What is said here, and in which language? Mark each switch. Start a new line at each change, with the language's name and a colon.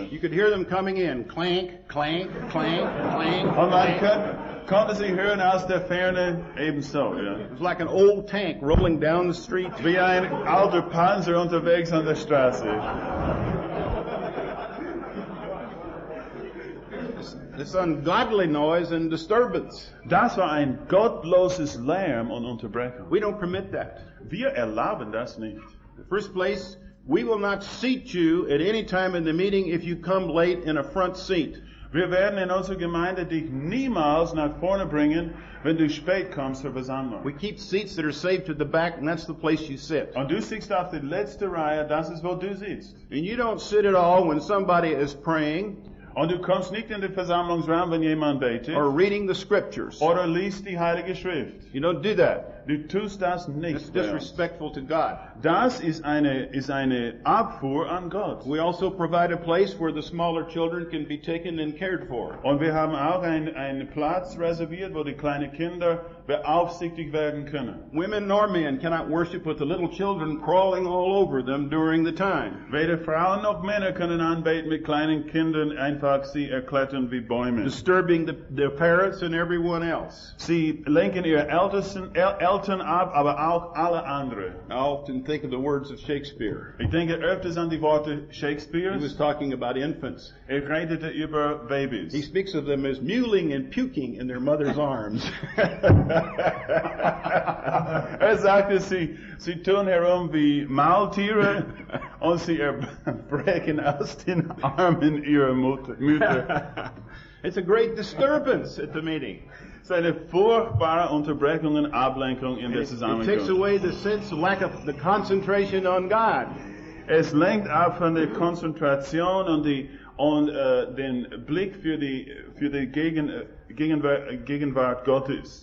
English: You could hear them coming in, clank, clank, clank, clank.
German: Und man konnte sie hören aus der Ferne ebenso.
English: Yeah. It was like an old tank rolling down the street.
German: Wie ein alter Panzer unterwegs an der Straße.
English: This ungodly noise and disturbance.
German: Das war ein gottloses Lärm und Unterbrechung.
English: We don't permit that.
German: Wir erlauben das nicht.
English: In the first place, we will not seat you at any time in the meeting if you come late in a front seat.
German: Wir werden in unserer Gemeinde dich niemals nach vorne bringen, wenn du spät kommst zur Versammlung.
English: We keep seats that are saved to the back, and that's the place you sit.
German: Und du sitzt auf der letzten Reihe, das ist wo du sitzt.
English: And you don't sit at all when somebody is praying.
German: Und du kommst nicht in den Versammlungsraum, wenn jemand betet.
English: Or reading the scriptures.
German: Oder liest die Heilige Schrift.
English: You don't do that.
German: Du tust das nicht.
English: It's disrespectful to God.
German: Das ist eine Abfuhr an Gott.
English: We also provide a place where the smaller children can be taken and cared for.
German: Und wir haben auch einen Platz reserviert, wo die kleinen Kinder beaufsichtigt werden können.
English: Women nor men cannot worship with the little children crawling all over them during the time.
German: Weder Frauen noch Männer können anbeten mit kleinen Kindern einfach sie erklettern wie Bäume.
English: Disturbing the parents and everyone else.
German: Sie lenken ihr Eltern ab, aber auch alle andere.
English: I often think of the words of Shakespeare.
German: Ich denke öfters an die Worte Shakespeares.
English: He was talking about infants.
German: Er redete über Babys.
English: He speaks of them as mewling and puking in their mother's arms.
German: Er sagte, sie tun herum wie Maultiere und sie erbrechen aus den Armen ihrer Mutter.
English: It's a great disturbance at the meeting.
German: Es ist eine furchtbare Unterbrechung und Ablenkung in der Zusammenkunft.
English: It takes away the sense of lack of the concentration on God.
German: Es lenkt ab von der Konzentration und den Blick für die Gegenwart Gottes.